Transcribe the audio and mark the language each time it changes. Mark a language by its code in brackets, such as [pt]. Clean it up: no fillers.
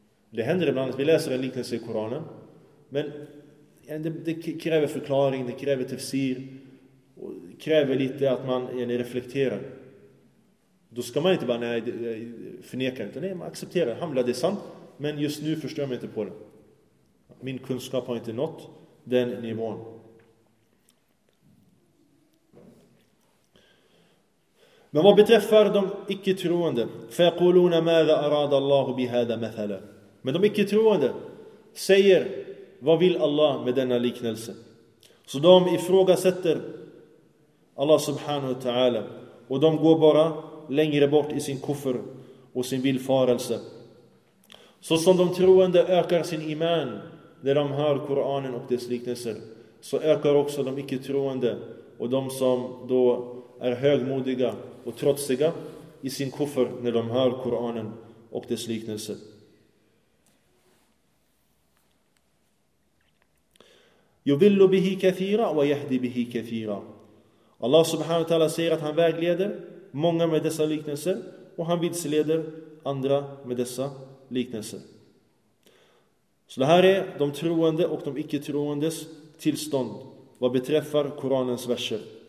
[sv] Det händer ibland att vi läser en liknelse i Koranen, men det kräver förklaring, det kräver tafsir, och det kräver lite att man reflekterar. Då ska man inte bara förneka, utan man accepterar. Hamla, det är sant, men just nu förstår jag inte på det. Min kunskap har inte nått den nivån. Men vad beträffar de icke-troende, [ar] فَيَقُولُونَ مَاذَا أَرَادَ اللَّهُ بِهَذَا مَثَلًا. [sv] Men de icke-troende säger, vad vill Allah med denna liknelse? Så de ifrågasätter Allah subhanahu wa ta'ala, och de går bara längre bort i sin kuffer och sin villfarelse. Så som de troende ökar sin iman när de hör Koranen och dess liknelser, så ökar också de icke-troende och de som då är högmodiga och trotsiga i sin kuffer när de hör Koranen och dess liknelser. [ar] يُضِلُّ بِهِ كَثِيرًا وَيَهْدِ بِهِ كَثِيرًا. [sv] Allah subhanahu wa ta'ala säger att han vägleder många med dessa liknelser, och han vilseleder andra med dessa liknelser. Så det här är de troende och de icke-troendes tillstånd vad beträffar Koranens verser.